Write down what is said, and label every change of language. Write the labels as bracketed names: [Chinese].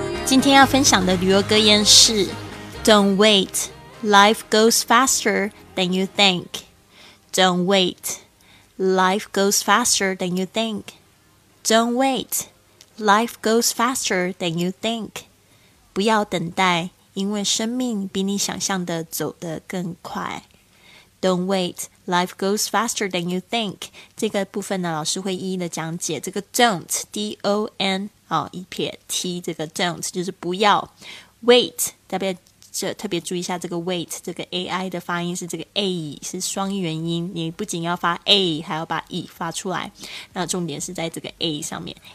[Chinese] 今天要分享的旅游格言是 [English] Don't wait, life goes faster than you think. Don't wait, life goes faster than you think. Don't wait, life goes faster than you think. [Chinese] 不要等待，因为生命比你想象的走得更快。 [English] Don't wait, life goes faster than you think. [Chinese] 这个部分呢，老师会一一的讲解。这个 don't, D-O-N,一撇 T, 这个 don't, 就是不要。 Wait, 特别注意一下这个 wait, 这个 A-I 的发音是这个 A, 是双元音。你不仅要发 A, 还要把 E 发出来。那重点是在这个 A 上面。